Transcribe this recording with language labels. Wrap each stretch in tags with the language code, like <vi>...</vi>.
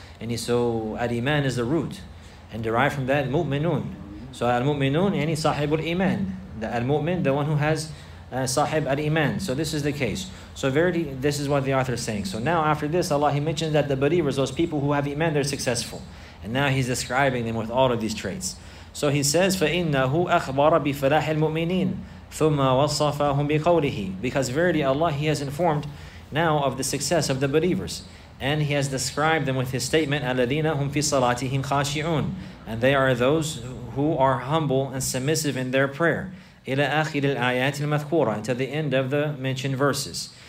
<en>And so al-Iman is the root. And derived from that, mu'minun. So al-mu'minun, yani sahib al-iman. The al-mu'min, the one who has sahib al-iman. So this is the case. So verily, this is what the author is saying. So now after this, Allah, he mentions that the believers, those people who have iman, they're successful. And now he's describing them with all of these traits. So he says,</en> <ar>فَإِنَّهُ أَخْبَرَ بِفَلَاحِ الْمُؤْمِنِينَ ثُمَّ وَصَّفَهُمْ بِقَوْلِهِ.</ar> <en>Because verily, Allah, he has informed now of the success of the believers. And he has described them with his statement,</en> <ar>أَلَذِينَ هُمْ فِي صَلَاتِهِمْ خَاشِعُونَ.</ar> <en>And they are those who are humble and submissive in their prayer.</en> <ar>إِلَى أَخِرِ الْآيَاتِ الْمَذْكُورَةِ.</ar> <en>Until the end of the mentioned verses.</en>